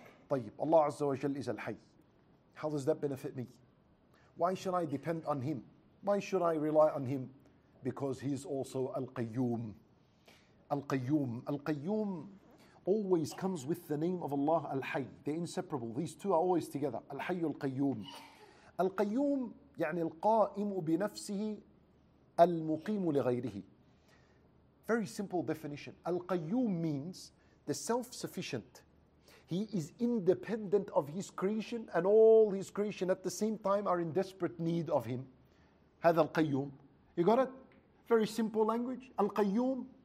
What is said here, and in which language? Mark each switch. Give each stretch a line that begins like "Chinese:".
Arabic: طيب,
English: Allah Azza wa Jal is Al-Hayy. How does that benefit me? Why should I depend on Him? Why should I rely on Him? Because He's also Al-Qayyum. Al-Qayyum. Al-Qayyum always comes with the name of Allah Al-Hayy. They're inseparable. These two are always together. Al-Hayy Al-Qayyum.
Arabic: Al-Qayyum, يعني القائم بنفسه المقيم لغيره.
English: Very simple definition. Al-Qayyum means the self-sufficient. He is independent of his creation, and all his creation at the same time are in desperate need of him.
Arabic: هذا القيوم.
English: You got it? Very simple language.
Arabic: القيوم.